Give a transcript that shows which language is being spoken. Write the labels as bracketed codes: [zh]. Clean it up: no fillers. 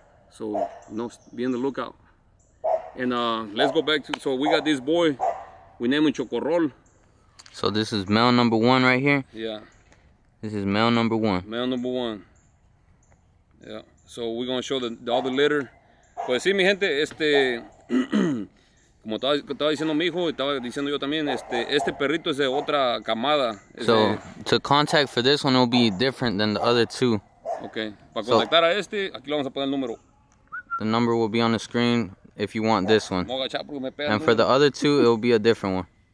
[en] So you know, be on the lookout. And let's go back to. So we got this boy. We name him Chocorrol. So this is male number one right here? Yeah. This is male number one. Male number one. Yeah. So we're going to show the other litter. [es] Pues sí, mi gente, como estaba diciendo mi hijo, estaba diciendo yo también, este perrito es de otra camada. [en] So to contact for this one will be different than the other two. Okay. [es] Para contactar a este, aquí le vamos a poner el número. [en] The number will be on the screen if you want this one. And for the other two, it will be a different one.